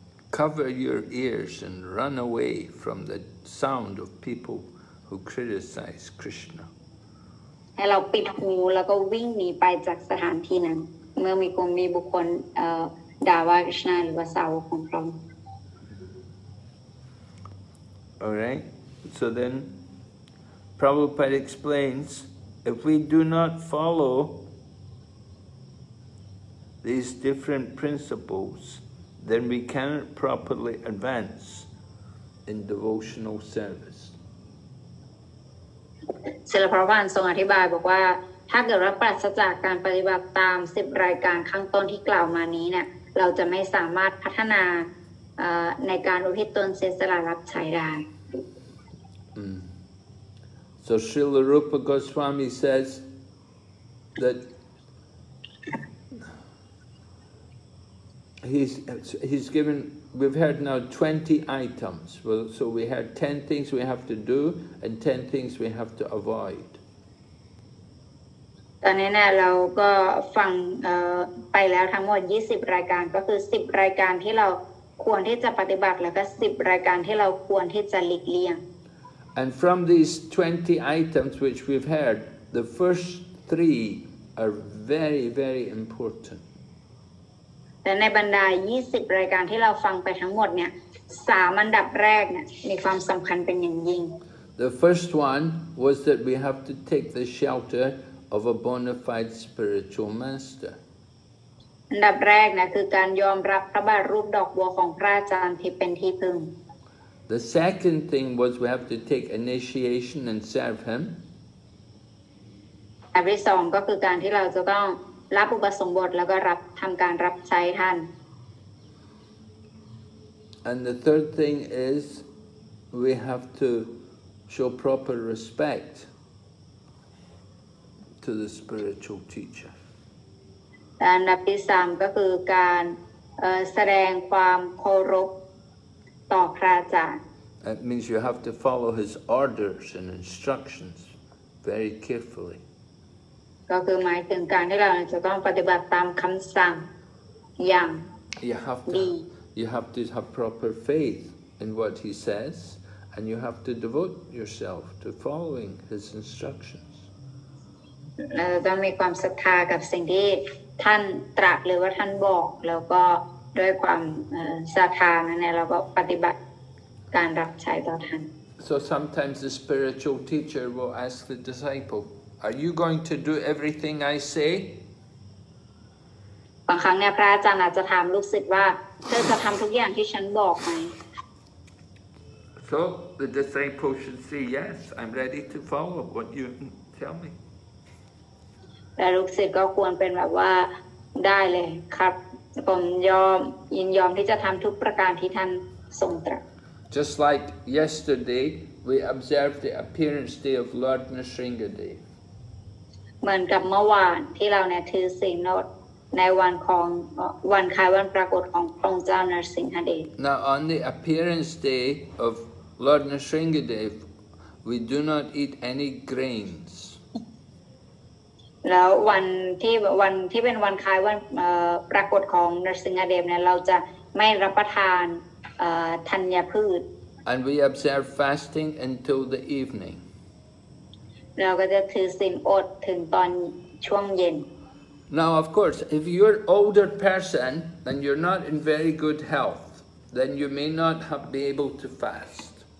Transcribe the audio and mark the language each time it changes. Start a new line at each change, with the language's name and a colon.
English: Cover your ears and run away from the sound of people who criticize Krishna.
Thai: ให้เราปิดหูแล้วก็วิ่งหนีไปจากสถานที่นั้นเมื่อมีคนมีบุคคลด่าว่าคริสต์หรือว่าสาวกของพระองค์
English: Alright, so then Prabhupada explains if we do not follow these different principles then we cannot properly advance in devotional service
Thai: ศาสดาพระวันทรงอธิบายบอกว่าถ้าเกิดเราปราศจากการปฏิบัติตาม10รายการข้างต้นที่กล่าวมานี้เนี่ยเราจะไม่สามารถพัฒนาในการอุทิศตนเสียสละรับใช้ได้
English: So Srila Rupa Goswami says that he's given we've had now 20 items well so we had 10 things we have to do and 10 things we have to avoid
Thai: ตอนนี้เราก็ฟังไปแล้วทั้งหมด20รายการก็คือ10รายการที่เราควรที่จะปฏิบัติแล้วก็10รายการที่เราควรที่จะหลีกเลี่ยง
English: And from these 20 items which we've had the first 3 are very very important
Thai: แต่ในบรรดา20รายการที่เราฟังไปทั้งหมดเนี่ย3อันดับแรกเนี่ยมีความสำคัญเป็นอย่างยิ่ง
English: The first one was that we have to take the shelter of a bona fide spiritual master
Thai: อันดับแรกนะคือการยอมรับพระบาทรูปดอกบัวของพระอาจารย์ที่เป็นที่พึ่ง
English: The second thing was we have to take initiation and serve him
Thai: อันที่2ก็คือการที่เราจะต้องรับอุปสมบทแล้วก็รับทำการรับใช้ท่าน
English: And the third thing is we have to show proper respect to the spiritual teacher
Thai: อันดับที่3ก็คือการแสดงความเคารพต่อพระอาจารย์
English: That means you have to follow his orders and instructions very carefully.
Thai: ก็คือหมายถึงการที่เราจะต้องปฏิบัติตามคำสั่งอย่างดี
English: You have to have proper faith in what he says and you have to devote yourself to following his instructions
Thai: เราต้องมีความศรัทธากับสิ่งที่ท่านตรัสหรือว่าท่านบอกแล้วก็ด้วยความศรัทธานั้นเราก็ปฏิบัติการรับใช้ต่อท่าน
English: So sometimes the spiritual teacher will ask the disciple,Are you going to do everything I say?
Thai: บางครั้งเนี่ยพระอาจารย์อาจจะถามลูกศิษย์ว่าเธอจะทำทุกอย่างที่ฉันบอกไหม
English: So the disciple should say yes. I'm ready to follow what you tell me.
Thai: แต่ลูกศิษย์ก็ควรเป็นแบบว่าได้เลยครับผมยอมยินยอมที่จะทำทุกประการที่ท่านทรงตรัส
English: Just like yesterday, we observed the appearance day of Lord Narasimha Day.
Thai: เหมือนกับเมื่อวานที่เราเนี่ยถือศีลอดในวันของวันคล้ายวันปรากฏของพระองค์เจ้านรสิงหเดช
English: Now on the appearance day of Lord Narasimha Dev we do not eat any grains
Thai: แล้ววันที่เป็นวันคล้ายวันปรากฏของนรสิงหเดชเนี่ยเราจะไม่รับประทานธัญพืช
English: And we observe fasting until the evening
Thai: เราก็จะถือศีลอดถึงตอนช่วงเย็น
English: Now of course if you're older person and you're not in very good health then you may not have be able to fast